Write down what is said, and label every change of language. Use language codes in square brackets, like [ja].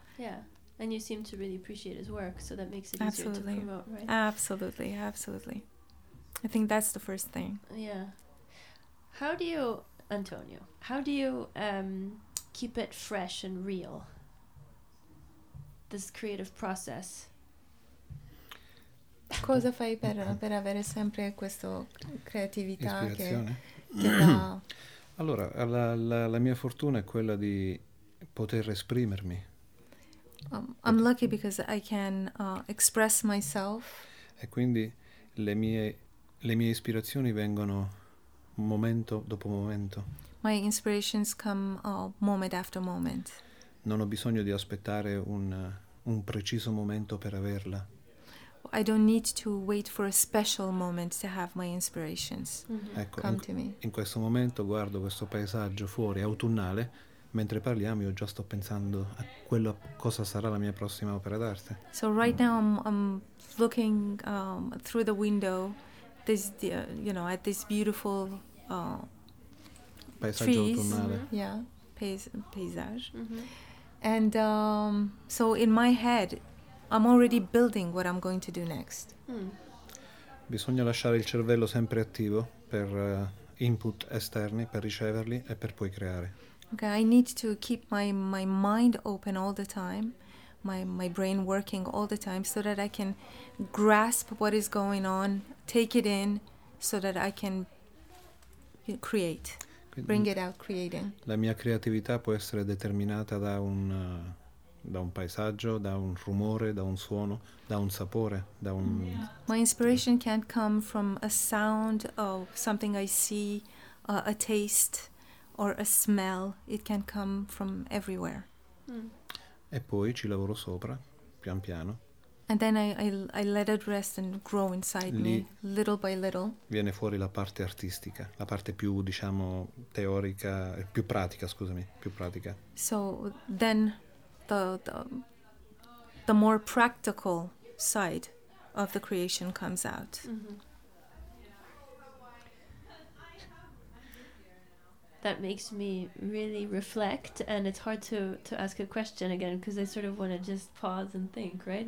[en] Yeah, and you seem to really appreciate his work. So that makes it easier to promote, right? Absolutely, absolutely. I think that's the first thing. Yeah. How do you, Antonio? How do you keep it fresh and real, this creative process? [it] Cosa fai per avere sempre questo creatività che allora, la mia fortuna è quella di poter esprimermi. [en] I'm lucky because I can express myself. [it] E quindi le mie ispirazioni vengono momento dopo momento. [en] My inspirations come moment after moment. [it] Non ho bisogno di aspettare un preciso momento per averla. [en] I don't need to wait for a special moment to have my inspirations come to me. [it] In questo momento guardo questo paesaggio fuori autunnale, mentre parliamo io già sto pensando a quello cosa sarà la mia prossima opera d'arte. [en] So right now I'm looking through the window, at this beautiful [it] paesaggio [en] trees. [it] Autunnale. [en] Paesage. And so in my head I'm already building what I'm going to do next. [it] Bisogna lasciare il cervello sempre attivo per input esterni, per riceverli e per poi creare. [en] Okay, I need to keep my mind open all the time, my brain working all the time, so that I can grasp what is going on, take it in, so that I can create. Quindi, bring it out, creating. [it] La mia creatività può essere determinata da un paesaggio, da un rumore, da un suono, da un sapore, da un. [en] My inspiration can come from a sound of something I see, a taste or a smell. It can come from everywhere. [it] E poi ci lavoro sopra, pian piano. [en] And then I let it rest and grow inside [it] Lì [en] me, little by little. [it] Viene fuori la parte artistica, la parte più, diciamo, teorica, più pratica, scusami, più pratica. [en] So then the more practical side of the creation comes out. That makes me really reflect, and it's hard to ask a question again because I sort of want to just pause and think, right?